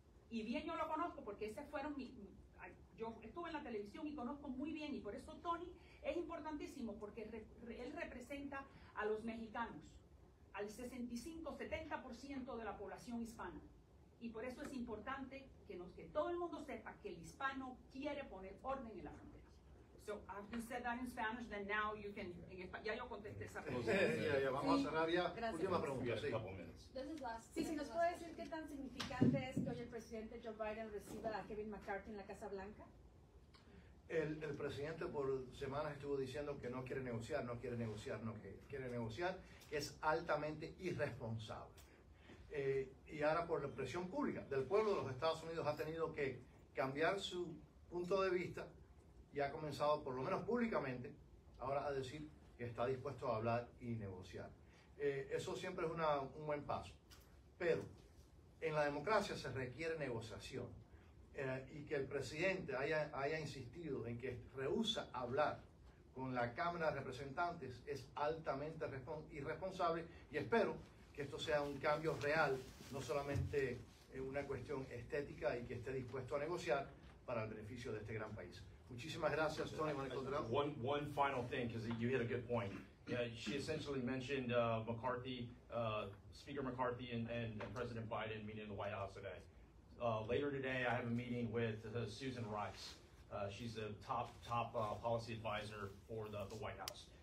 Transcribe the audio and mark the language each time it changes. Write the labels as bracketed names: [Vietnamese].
[Spanish] Y bien yo lo conozco, porque ese fueron yo estuve en la televisión y conozco muy bien, y por eso Tony es importantísimo, porque él representa a los mexicanos, al 65-70% de la población hispana. Y por eso es importante que todo el mundo sepa que el hispano quiere poner orden en la frontera. [English] So, after you said that in Spanish, then now you can... [Spanish] Ya yo contesté esa pregunta. Sí, ya vamos a cerrar ya. Gracias. Última pregunta, sí. Si nos puede decir qué tan significante es que hoy el presidente Joe Biden reciba a Kevin McCarthy en la Casa Blanca. El presidente por semanas estuvo diciendo que no quiere negociar, que es altamente irresponsable. Y ahora por la presión pública del pueblo de los Estados Unidos ha tenido que cambiar su punto de vista y ha comenzado, por lo menos públicamente, ahora a decir que está dispuesto a hablar y negociar. Eso siempre es un buen paso. Pero en la democracia se requiere negociación. Y que el presidente haya insistido en que rehúsa hablar con la Cámara de Representantes es altamente irresponsable, y espero que esto sea un cambio real, no solamente una cuestión estética, y que esté dispuesto a negociar para el beneficio de este gran país. Muchísimas gracias, Tony. [English] One final thing, because you hit a good point. She essentially mentioned McCarthy, Speaker McCarthy and President Biden meeting in the White House today. Later today, I have a meeting with Susan Rice. She's the top policy advisor for the White House.